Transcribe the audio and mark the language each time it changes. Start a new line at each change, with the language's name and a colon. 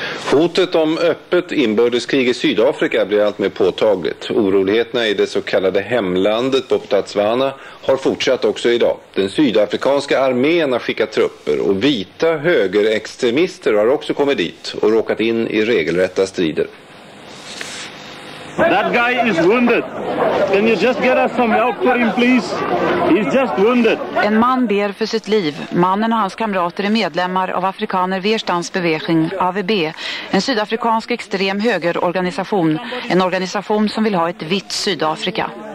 Swedish: Hotet om öppet inbördeskrig i Sydafrika blir allt mer påtagligt. Oroligheterna i det så kallade hemlandet på Botswana har fortsatt också idag. Den sydafrikanska armén har skickat trupper och vita högerextremister har också kommit dit och råkat in i regelrätta strider.
English: That guy is wounded. Can you just get us some help for him, please? He's just wounded.
Swedish: En man ber för sitt liv. Mannen och hans kamrater är medlemmar av Afrikaner Weerstandsbeweging, AVB, en sydafrikansk extrem högerorganisation, en organisation som vill ha ett vitt Sydafrika.